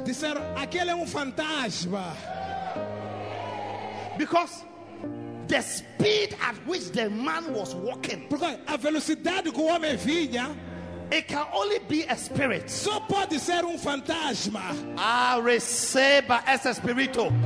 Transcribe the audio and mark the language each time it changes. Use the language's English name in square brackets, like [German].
[Portuguese] Disseram, aquele é fantasma. [English] Because the speed at which the man was walking, [Portuguese] porque a velocidade que o homem vinha, [English] it can only be a spirit. [Portuguese] Só pode ser fantasma. Ah, receba esse espírito.